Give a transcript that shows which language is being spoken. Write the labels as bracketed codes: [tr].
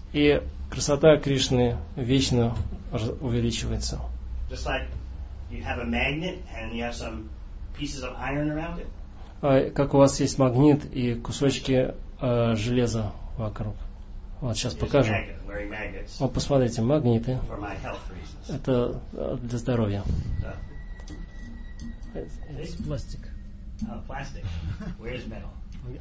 [ru] И красота Кришны вечно увеличивается. [en] Just like you have a magnet and you have some pieces of iron around it. [ru] Как у вас есть магнит и кусочки железа вокруг. Вот сейчас покажу. Вот посмотрите, магниты. Это для здоровья. Здесь пластик. Пластик. [en] Where's metal?